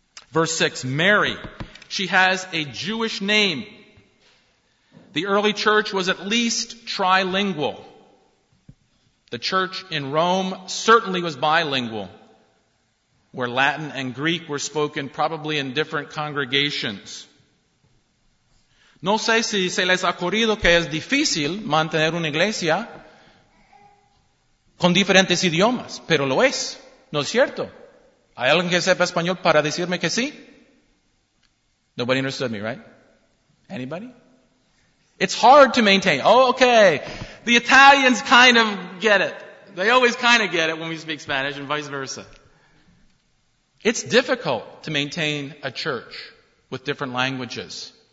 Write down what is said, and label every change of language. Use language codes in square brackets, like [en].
[en] Verse 6, Mary, she has a Jewish name. The early church was at least trilingual. The church in Rome certainly was bilingual, where Latin and Greek were spoken probably in different congregations. [es] No sé si se les ha ocurrido que es difícil mantener una iglesia con diferentes idiomas, pero lo es, ¿no es cierto? ¿Hay alguien que sepa español para decirme que sí? [en] Nobody understood me, right? Anybody? It's hard to maintain. Oh, okay. The Italians kind of get it. They always kind of get it when we speak Spanish and vice versa. It's difficult to maintain a church with different languages.